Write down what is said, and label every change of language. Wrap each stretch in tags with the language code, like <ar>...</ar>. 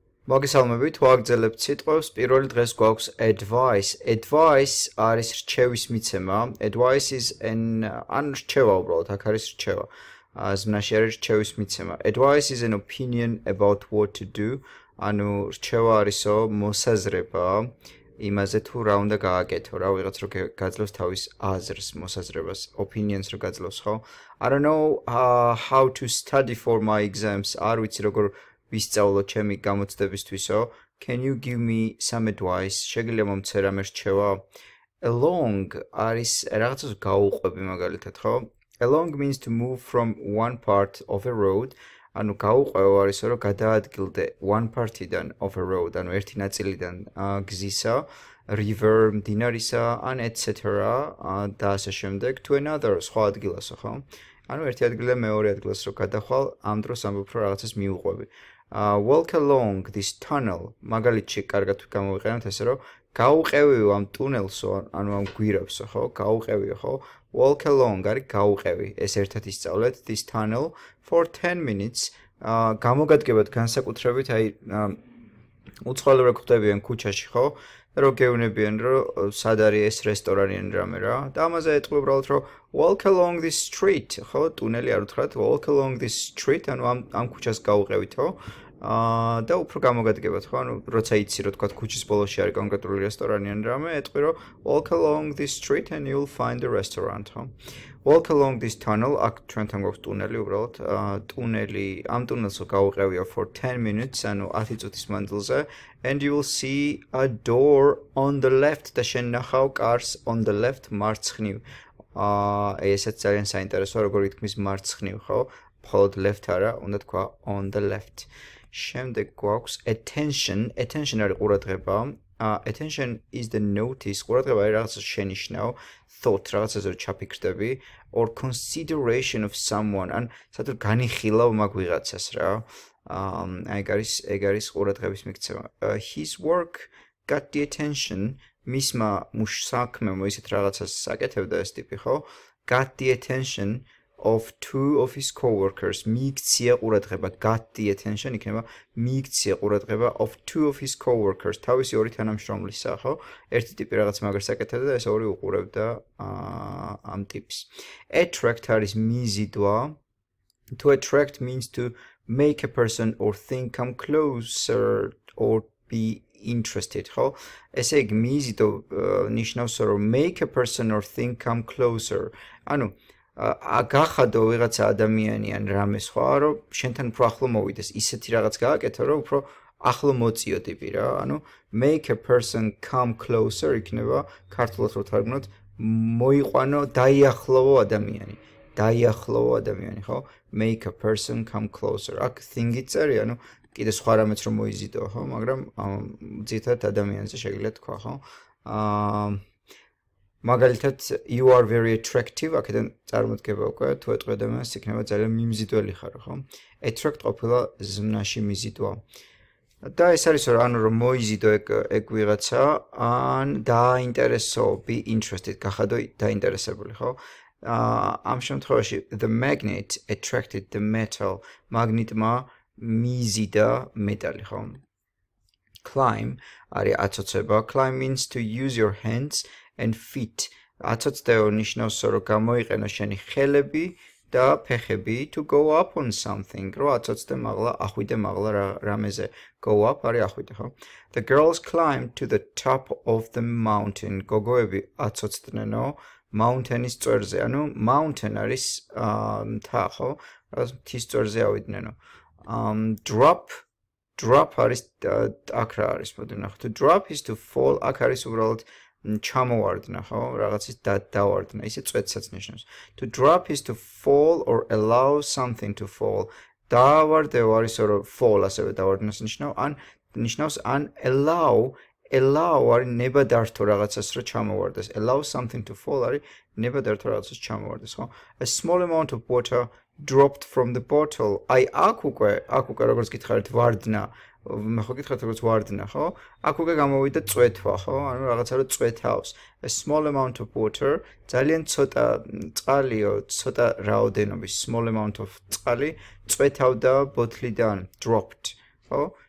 <ka>მოგესალმებით, ვაგრძელებ სიტყვებს. პირველი დღეს გვაქვს advice. Advice არის რჩევის მიცემა.</ka> <en>Advice is an</en> <ka>ან რჩევა უბრალოდ, აქ არის რჩევა. ზმნაში არის რჩევის მიცემა.</ka> <en>Advice is an opinion about what to do.</en> <ka>ანუ რჩევა არისო მოსაზრება იმაზე თუ რა უნდა გააკეთო, რა ვიღაც რო გაძლევს თავის აზრს, მოსაზრებას, opinions რო გაძლევს, ხო?</ka> <en>I don't know how to study for my exams.</en> <ka>არ ვიცი როგორ ვისწავლო ჩემი გამოცდებისთვისო.</ka> <en>Can you give me some advice?</en> <ka>შეგიძლია მომცე რამე რჩევა? Along არის რაღაცას გაუყვები მაგალითად, ხო?</ka> <en>Along means to move from one part of a road.</en> <ka>ანუ გაუყვევა არისო რომ გადაადგილდე one part-დან</ka> <en>of a road,</en> <ka>ანუ ერთი ნაწილიდან გზისა, river, მდინარისა, ან etc. და ასე შემდეგ to another, სხვა ადგილასო, ხო? ანუ ერთი ადგილიდან მეორე ადგილას რო გადახვალ, ამ დროს ამბობ რომ რაღაცას მიუყვები.</ka> <en>Walk along this tunnel.</en> <ka>მაგალითში კარგად გამოვიყენოთ ესე რომ გაუყევიო ამ ტუნელსო, ანუ ამ გვირაბსო, ხო? გაუყევიო, ხო?</ka> <en>Walk along,</en> <ka>არის გაუყევი. ეს ერთად ისწავლეთ</ka> <en>this tunnel for 10 minutes.</en> <ka>გამოგადგებათ განსაკუთრებით, აი უცხოელებს ხვდებიან ქუჩაში, ხო? რო გეუბნებიან, რო სად არის ეს რესტორანი ან რამე რა. და ამაზე ეტყვი უბრალოდ, რომ</ka> <en>walk along this street,</en> <ka>ხო? ტუნელი არ უთხრათ,</ka> <en>walk along this street,</en> <ka>ანუ ამ ქუჩას გაუყევით, ხო? და უფრო გამოგადგებათ, ხო? ანუ როცა იცი, რო თქვა ქუჩის ბოლოში არის კონკრეტული რესტორანი ან რამე, ეტყვი, რომ</ka> <en>walk along this street and you'll find the restaurant,</en> <ka>ხო?</ka> <en>Walk along this tunnel,</en> <ka>აქ ჩვენ თან გვაქვს ტუნელი უბრალოდ, ტუნელი, ამ ტუნელსო გაუყევია</ka> <en>for 10 minutes,</en> <ka>ანუ 10 წუთის მანძილზე,</ka> <en>and you will see a door on the left,</en> <ka>და შენ ნახავ</ka> <en>cars on the left,</en> <ka>მარცხნივ. ესეც ძალიან საინტერესოა, როგორ ითქმის მარცხნივ, ხო? მხოლოდ left არა, უნდა თქვა</ka> <en>on the left.</en> <ka>შემდეგ გვაქვს attention. Attention არის ყურადღება.</ka> <en>Attention is the notice.</en> <ka>ყურადღება არის რაღაცას შენიშნავ. Thought, რაღაცაზე ჩაფიქრდები.</ka> <en>Or consideration of someone.</en> <ka>ან სათუ განიხილავ მაგ ვიღაცას რა. ეგ არის ყურადღების მიქცევა.</ka> <en>His work got the attention.</en> <ka>მისმა საქმემ ისეთ რაღაცას აკეთებდა ეს ტიპი, ხო?</ka> <en>Got the attention of two of his coworkers.</en> <ka>მიიქცია ყურადღება,</ka> <en>got the attention</en> <ka>იქნება მიიქცია ყურადღება</ka> <en>of two of his coworkers,</en> <ka>თავისი ორი თანამშრომლისა, ხო? ერთი ტიპი რაღაც მაგას აკეთებდა და ეს ორი უყურებდა ამ ტიპს. Attract არის მიზიდვა.</ka> <en>To attract means to make a person or thing come closer or be interested, ხო?</en> <ka>ესე იგი მიზიდო ნიშნავს რომ</ka> <en>make a person or thing come closer.</en> <ka>ანუ გახადო ვიღაცა ადამიანი ან რამე სხვა, რომ შენთან უფრო ახლო მოვიდეს, ისეთი რაღაც გააკეთო, რომ უფრო ახლო მოწიო ტიპი რა. ანუ</ka> <en>make a person come closer</en> <ka>იქნება ქართულად რო თარგმნოთ, მოიყვანო, დაიახლოვო ადამიანი. დაიახლოვო ადამიანი, ხო?</ka> <en>Make a person come closer.</en> <ka>აქ thing-ი წერი, ანუ კიდე სხვა რამეც რომ მოიზიდო, ხო? მაგრამ ძირითადად ადამიანზე შეგვიძლია თქვა, ხო? მაგალითად</ka> <en>you are very attractive,</en> <ka>აქედან წარმოდგება უკვე, თუ ეტყვი ადამიანს იქნება ძალიან მიმზიდველი ხარ, ხო? Attract ყოფილა ზმნაში მიზიდვა. და ეს არის რა, ანუ რომ მოიზიდო ეგ ვიღაცა, ან დააინტერესო,</ka> <en>be interested,</en> <ka>გახადო დაინტერესებული, ხო? ამ შემთხვევაში</ka> <en>the magnet attracted the metal.</en> <ka>მაგნიტმა მიზიდა მეტალი, ხო? Climb არის აცოცება.</ka> <en>Climb means to use your hands and feet.</en> <ka>აცოცდეო ნიშნავს რომ გამოიყენო შენი ხელები და ფეხები.</ka> <en>To go up on something,</en> <ka>რო აცოცდე მაღლა, ახვიდე მაღლა რამეზე.</ka> <en>Go up</en> <ka>არის ახვიდე, ხო?</ka> <en>The girls climbed to the top of the mountain.</en> <ka>გოგოები აცოცდნენო mountain-ის წვერზე. ანუ mountain არის მთა, ხო? რაღაც მთის წვერზე ავიდნენო. Drop არის აქ რა არის, მოდი ნახოთ.</ka> <en>Drop is to fall.</en> <ka>აქ არის უბრალოდ ჩამოვარდნა, ხო? რაღაცის დავარდნა. ისე წვეცაც ნიშნავს.</ka> <en>To drop is to fall or allow something to fall.</en> <ka>დავარდეო არის რომ fall ასევე დავარდნას ნიშნავს, ან ნიშნავს ან allow არის ნება დართო რაღაცას რომ ჩამოვარდეს.</ka> <en>Allow something to fall</en> <ka>არის ნება დართო რაღაცას ჩამოვარდეს, ხო?</ka> <en>A small amount of water dropped from the bottle.</en> <ka>აი აქ უკვე როგორც გითხარით ვარდნა. მე ხო გითხარით როგორც ვარდნა, ხო? აქ უკვე გამოვიდა წვეთვა, ხო? ანუ რაღაცა რომ წვეთავს.</ka> <en>A small amount of water,</en> <ka>ძალიან ცოტა წყალიო, ცოტა რაოდენობის</ka> <en>small amount of</en> <ka>წყალი წვეთავდა ბოთლიდან, dropped, ხო?</ka>